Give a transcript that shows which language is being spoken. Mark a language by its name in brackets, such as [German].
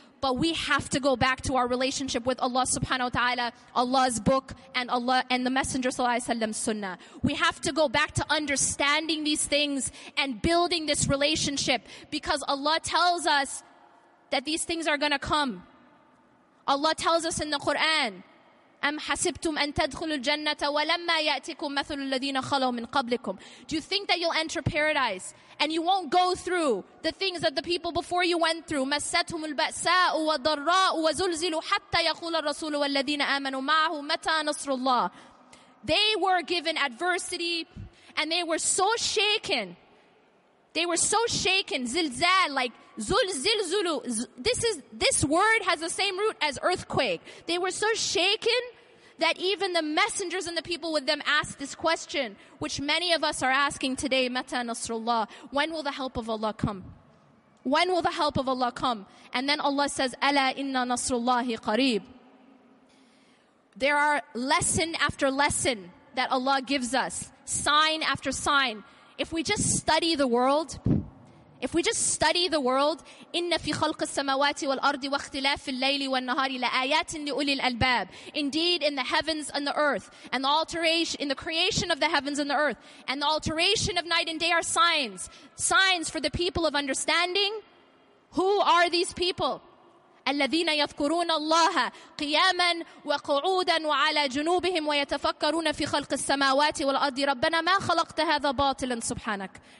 [English] But we have to go back to our relationship with Allah subhanahu wa ta'ala, Allah's book, and Allah and the Messenger sallallahu alayhi wa sallam's sunnah. We have to go back to understanding these things and building this relationship. Because Allah tells us that these things are going to come. Allah tells us in the Qur'an, [Arabic] أَمْ حَسِبْتُمْ أَن تَدْخُلُوا الْجَنَّةَ وَلَمَّا يَأْتِكُمْ مَثُلُ الَّذِينَ خَلَوْا مِنْ قَبْلِكُمْ. [English] Do you think that you'll enter paradise and you won't go through the things that the people before you went through? [Arabic] مَسَّتْهُمُ الْبَأْسَاءُ وَالضَّرَّاءُ وَزُلْزِلُوا حَتَّى يَقُولَ الرَّسُولُ وَالَّذِينَ آمَنُوا مَعَهُ مَتَى نَصْرُ اللَّهِ. [English] They were given adversity and they were so shaken. They were so shaken. Zilzal, like zulzilzulu. This word has the same root as earthquake. They were so shaken that even the messengers and the people with them asked this question, which many of us are asking today, [Arabic] Mata Nasrullah. [English] When will the help of Allah come? When will the help of Allah come? And then Allah says, [Arabic] Ala inna Nasrullahi qareeb. [English] There are lesson after lesson that Allah gives us, sign after sign. If we just study the world, [Arabic] إِنَّ فِي خَلْقِ السَّمَوَاتِ وَالْأَرْضِ وَاخْتِلَافِ اللَّيْلِ وَالنَّهَارِ لَآيَاتٍ لِأُولِي الْأَلْبَابِ. [English] Indeed, in the heavens and the earth, and the alteration, in the creation of the heavens and the earth, and the alteration of night and day are signs. Signs for the people of understanding. Who are these people? [Arabic] الَّذِينَ يَذْكُرُونَ اللَّهَ قِيَامًا وَقُعُودًا وَعَلَى جُنُوبِهِمْ وَيَتَفَكَّرُونَ فِي خَلْقِ السَّمَاوَاتِ وَالْأَرْضِ رَبَّنَا مَا خَلَقْتَ هَذَا بَاطِلًا سُبْحَانَكَ.